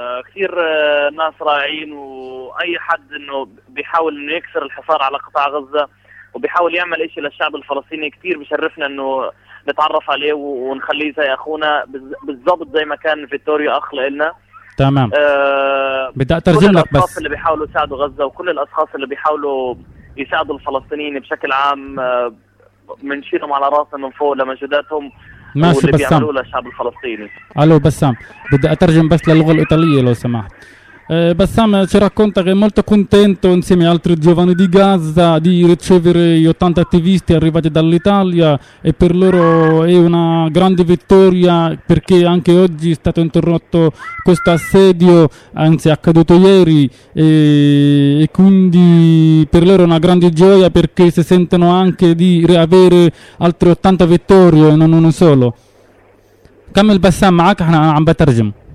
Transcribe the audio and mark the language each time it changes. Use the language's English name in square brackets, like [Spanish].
[Arabic] كثير ناس راعين، واي حد انه بيحاول انه يكسر الحصار على قطاع غزه وبيحاول يعمل شيء للشعب الفلسطيني كثير بشرفنا انه نتعرف عليه ونخليه زي اخونا بالضبط زي ما كان فيتوريو اخ لنا. تمام، بدي اترجم لك بس. كل الاشخاص اللي بيحاولوا يساعدوا غزه وكل الاشخاص اللي بيحاولوا يساعدوا الفلسطينيين بشكل عام، منشيلهم على راسنا من فوق لمجهوداتهم ماشي واللي بسام بيعملوه للشعب الفلسطيني. الو بسام، بدي اترجم بس للغه الايطاليه لو سمحت. [Italian] بسام ci racconta che è molto contento insieme ad altri giovani di Gaza di ricevere gli 80 attivisti arrivati dall'Italia, e per loro è una grande vittoria perché anche oggi è stato interrotto questo assedio, anzi è accaduto ieri, e quindi per loro è una grande gioia perché si sentono anche di riavere altri 80 vittorie e non uno solo. [Arabic] Kamel Bassam معك احنا عم بترجم.